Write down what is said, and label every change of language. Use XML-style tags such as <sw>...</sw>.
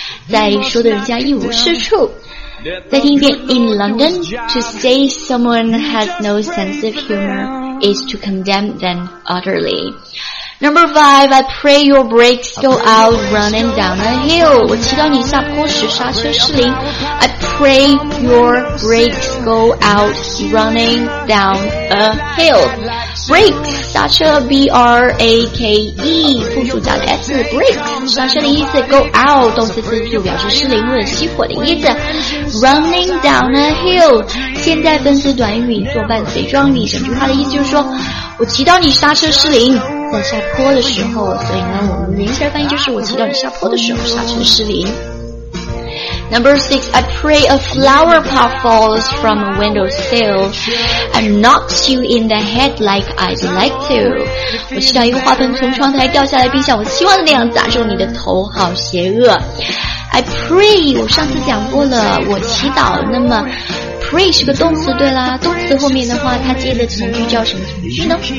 <zh>在说的人家一无是处。再听一遍</zh> <en>,In London, to say someone has no sense of humor is to condemn them utterly. Number five, I pray your brakes go out running down a hill.</en> <zh>我祈祷你下坡时刹车失灵。</zh> <en>I pray your brakes go out running down a hill.</en> <zh>Brakes, 刹车 ,B-R-A-K-E, 复数加的 S, brakes, 刹车的意思 ,go out, 动词复数表示失灵或者熄火的意思。</zh> <en>Running down a hill,</en> <zh>现在分词短语做伴随状语，整句话的意思就是说我祈祷你刹车失灵。在下坡的时候，所以呢我们连起来翻译就是我祈祷你下坡的时候刹车失灵。</zh> <en>Number six, I pray a flower pot falls from a windowsill and knocks you in the head like I'd like to.</en> <zh>我祈祷一个花盆从窗台掉下来，并像我希望的那样砸中你的头，好邪恶。 I pray, 我上次讲过了，我祈祷。那么Pray 是个动词，对啦，动词后面的话它接的从句叫什么从句呢？</zh>